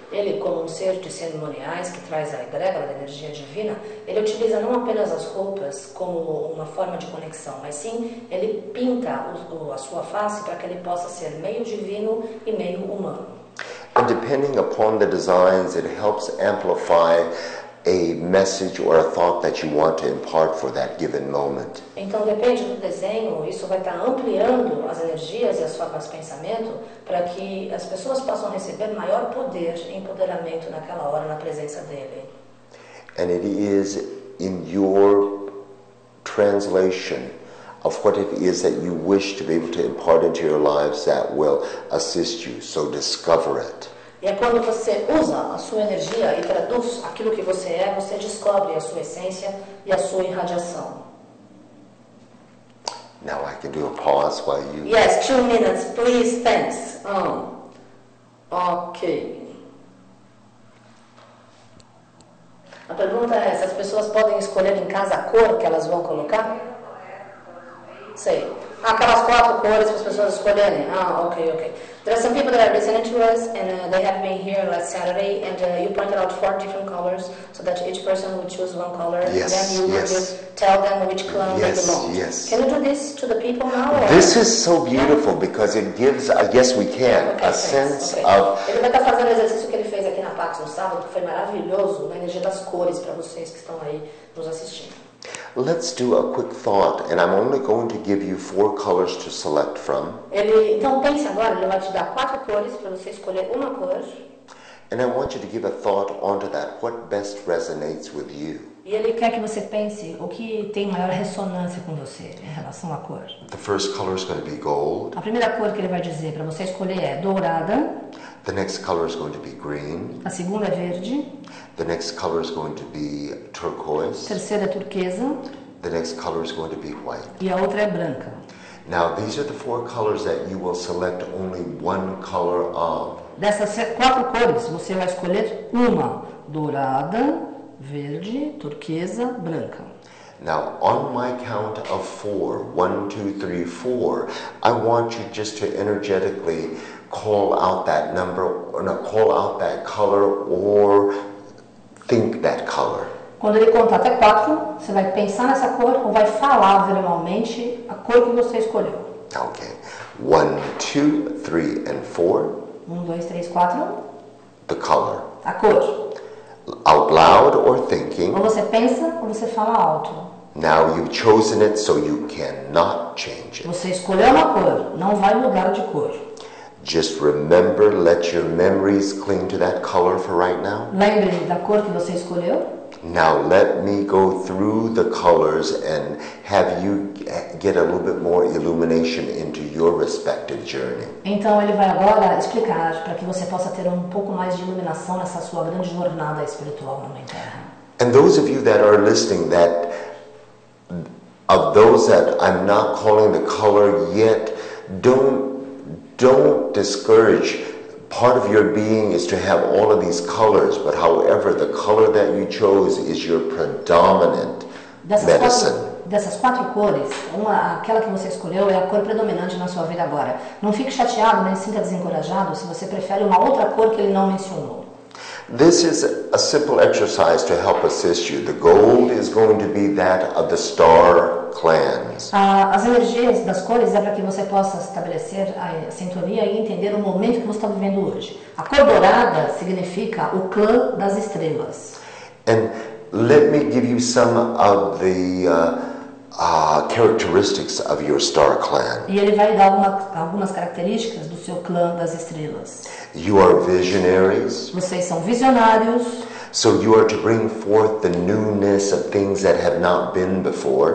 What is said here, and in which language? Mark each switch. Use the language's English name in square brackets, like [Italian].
[Portuguese] Ele, como ser de cerimoniais que traz a egrégora da energia divina, ele utiliza não apenas as roupas como uma forma de conexão, mas sim ele pinta a sua face para que ele possa ser meio divino e meio humano. [English] And depending upon the designs, it helps amplify a message or a thought that you want to impart for that given moment. [Portuguese] Então depende do desenho, isso vai estar ampliando as energias e as formas de pensamento para que as pessoas possam receber maior poder e empoderamento naquela hora na presença dele. [English] And it is in your translation of what it is that you wish to be able to impart into your lives that will assist you. So discover it. [Portuguese] E é quando você usa a sua energia e traduz aquilo que você é, você descobre a sua essência e a sua irradiação. [English] Now I can do a pause while you... Yes, 2 minutes, please, thanks. Ok. [Portuguese] A pergunta é, se as pessoas podem escolher em casa a cor que elas vão colocar? Sei. Aquelas quatro cores para as pessoas escolherem. Ok. [English] There are some people that have listened to us, and they have been here last Saturday, and you pointed out 4 different colors, so that each person would choose one color, yes, and then you yes. would tell them which color they yes, belong. Yes. Can you do this to the people now? Or? This is so beautiful, yeah. Because it gives, yes we can, okay, a thanks. Sense okay. of... [Portuguese] Ele vai estar fazendo o exercício que ele fez aqui na PAX no sábado, que foi maravilhoso, na energia das cores para vocês que estão aí nos assistindo. [English] Let's do a quick thought, and I'm only going to give you 4 colors to select from. [Portuguese] Ele, então pense agora, ele vai te dar 4 cores para você escolher uma cor. [English] And I want you to give a thought onto that, what best resonates with you. [Portuguese] E ele quer que você pense o que tem maior ressonância com você em relação à cor. [English] The first color is going to be gold. [Portuguese] A primeira cor que ele vai dizer para você escolher é dourada. [English] The next color is going to be green. [Portuguese] A segunda é verde. [English] The next color is going to be turquoise. [Portuguese] Terceira é turquesa. [English] The next color is going to be white. [Portuguese] E a outra é branca. [English] Now these are the 4 colors that you will select only one color of. [Portuguese] Dessas 4 cores, você vai escolher uma: dourada, verde, turquesa, branca. [English] Now, on my count of 4, 1, 2, 3, 4, I want you just to energetically call out that number, or no, call out that color, or think that color. [Portuguese] Quando ele contar até 4, você vai pensar nessa cor ou vai falar verbalmente a cor que você escolheu. [English] Okay. 1, 2, 3, and 4. [Portuguese] 1, 2, 3, 4. [English] The color. [Portuguese] A cor. [English] out loud or thinking. [Portuguese] Ou você pensa ou você fala alto. [English] Now you've chosen it, so you cannot change it. [Portuguese] Você escolheu uma cor, não vai mudar de cor. [English] Just remember, let your memories cling to that color for right now. [Portuguese] Lembre-se da cor que você escolheu. [English] Now let me go through the colors and have you get a little bit more illumination into your respective journey. [Portuguese] Então ele vai agora explicar para que você possa ter um pouco mais de iluminação nessa sua grande jornada espiritual na Terra. [English] And those of you that are listening, that of those that I'm not calling the color yet, don't discourage. Part of your being is to have all of these colors, but however, the color that you chose is your predominant medicine. [Portuguese] Dessas quatro cores, aquela que você escolheu é a cor predominante na sua vida agora. Não fique chateado nem sinta desencorajado se você prefere uma outra cor que ele não mencionou. [English] This is a simple exercise to help assist you. The gold is going to be that of the star clans. [Portuguese] As energias das cores é para que você possa estabelecer a sintonia e entender o momento que você está vivendo hoje. A cor dourada significa o clã das estrelas. [English] And let me give you some of the characteristics of your star clan. [Portuguese] E ele vai dar algumas características do seu clã das estrelas. [English] You are visionaries. [Portuguese] Vocês são visionários. [English] So you are to bring forth the newness of things that have not been before.